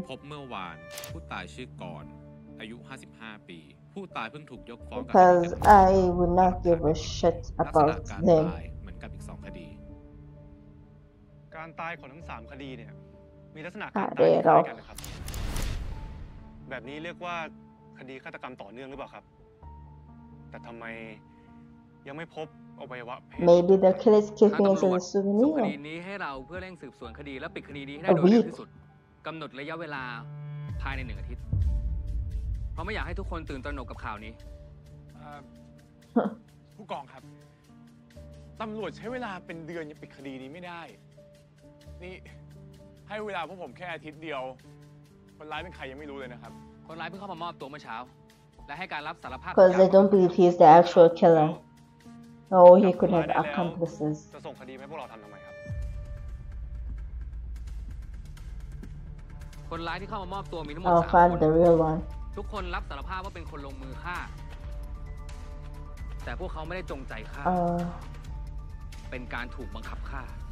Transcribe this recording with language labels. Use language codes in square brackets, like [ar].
[th] พบเมื่อวานผู้ตายชื่อกอนอายุ55ปีผู้ตายเพิ่งถูกยกฟ้อง กับ [en] I would not give a shit about them [th] เหมือนกับอีก2คดี การตายของทั้ง3คดีเนี่ยมีลักษณะ การตายคล้ายกันนะครับแบบนี้เรียกว่าคดีฆาตกรรมต่อเนื่องหรือเปล่าครับแต่ทำไมยังไม่พบอวัยวะเพศ [en] Maybe the killer's keeping it a souvenir [th] คดีนี้ให้เราเพื่อเร่งสืบสวนคดีและปิดคดีนี้ให้ได้โดยเร็วที่สุดกำหนดระยะเวลาภายใน1อาทิตย์เพราะไม่อยากให้ทุกคนตื่นตระหนกกับข่าวนี้ผู้กองครับตำรวจใช้เวลาเป็นเดือนยังปิดคดีนี้ไม่ได้นี่ให้เวลาพวกผมแค่อาทิตย์เดียวคนร้ายเป็นใครยังไม่รู้เลยนะครับ คนร้ายเพิ่งเข้ามามอบตัวเมื่อเช้าและให้การรับสารภาพ [en] Because they don't believe he's the actual killer Oh he could have accomplices [th] จะส่งคดีให้พวกเราทำทำไมครับ คนร้ายที่เข้ามามอบตัวมีทั้งหม [en] ด3 find the real one [th] ทุกคนรับสารภาพว่าเป็นคนลงมือฆ่าแต่พวกเขาไม่ได้จงใจฆ่าเป็นการถูกบังคับฆ่า